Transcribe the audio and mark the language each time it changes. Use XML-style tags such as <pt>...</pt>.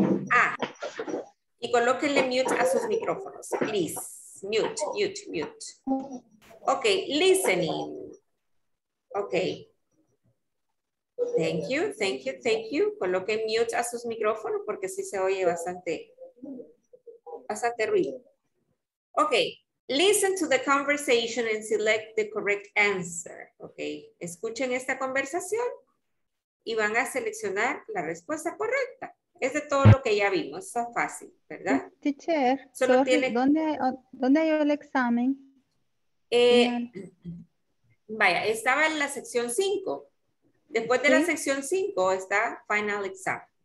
<es>Ah. Y colóquenle mute a sus micrófonos. Please.</es> <en>Mute, mute, mute. Ok, listening. Ok. Thank you, thank you, thank you.</en> <es>Coloquen mute a sus micrófonos porque sí se oye bastante, bastante ruido.</es> <en>Ok, listen to the conversation and select the correct answer.</en> <es>Ok, escuchen esta conversación y van a seleccionar la respuesta correcta. Es de todo lo que ya vimos, es fácil, ¿verdad? Teacher, solo sorry, tiene... ¿dónde hay el examen? Vaya, estaba en la sección 5. Después de la sección 5 está final exam.</es>